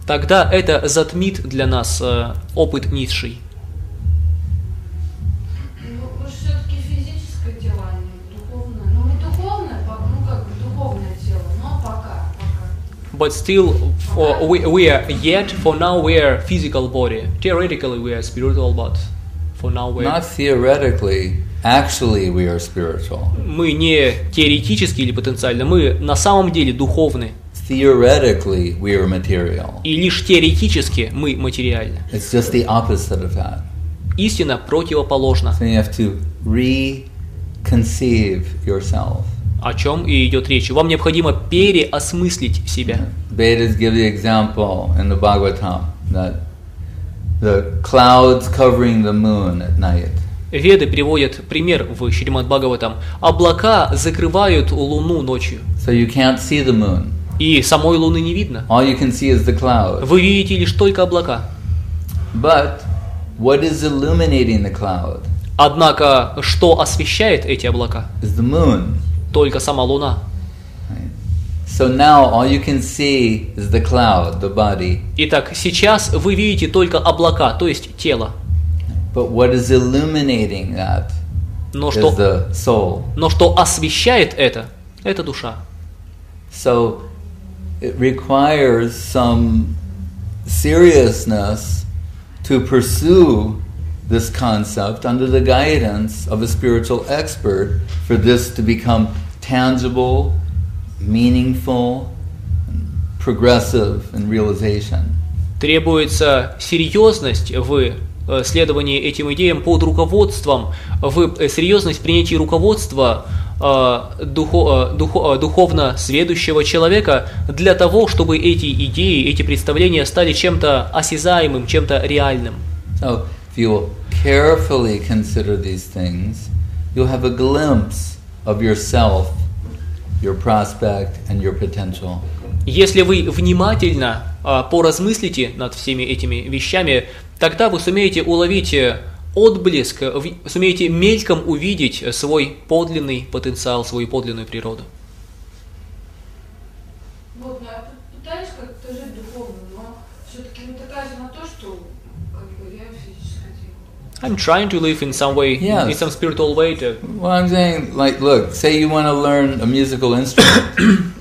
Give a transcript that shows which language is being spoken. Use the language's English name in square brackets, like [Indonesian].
[Russian] Тогда это затмит для нас опыт низший. Ну, мы же все-таки физическое тело, а не духовное. Ну, не духовное, ну, как бы духовное тело, но пока. [English] But still, for now we are physical body. Theoretically we are spiritual, but for now we are... Not theoretically. Actually, we are spiritual. [Russian] Мы не теоретически или потенциально, мы на самом деле духовны. [English] Theoretically, we are material. [Russian] И лишь теоретически мы материальны. [English] It's just the opposite of that. [Russian] Истина противоположна. [English] So you have to reconceive yourself. [Russian] О чем и идет речь? Вам необходимо переосмыслить себя. [English] Vedas give the example in the Bhagavatam that the clouds covering the moon at night. [Russian] Веды приводят пример в Шримад-Бхагаватам. Облака закрывают луну ночью. [English] So you can't see the moon. [Russian] И самой луны не видно. [English] All you can see is the cloud. [Russian] Вы видите лишь только облака. [English] But what is illuminating the cloud? [Russian] Однако, что освещает эти облака? [English] Is the moon. [Russian] Только сама луна. [English] So now all you can see is the cloud, the body. [Russian] Итак, сейчас вы видите только облака, то есть тело. [English] But what is illuminating that is the soul. [Russian] Но что освещает это душа. [English] So it requires some seriousness to pursue this concept under the guidance of a spiritual expert for this to become tangible, meaningful, progressive in realization. [Russian] Требуется серьезность в следование этим идеям под руководством, в серьезность принятия руководства духовно сведущего человека для того, чтобы эти идеи, эти представления стали чем-то осязаемым, чем-то реальным. [English] So, if you carefully consider these things, you'll have a glimpse of yourself, your prospect, and your potential. [Russian] Если вы внимательно поразмыслите над всеми этими вещами, тогда вы сумеете уловить отблеск, сумеете мельком увидеть свой подлинный потенциал, свою подлинную природу. Вот, ну, я пытаюсь как-то жить духовно, но все-таки натыкаюсь на то, что как бы я физически. [English] I'm trying to live in some way, yes. in some spiritual way. To... Well, I'm saying, like, look, say you want to learn a musical instrument.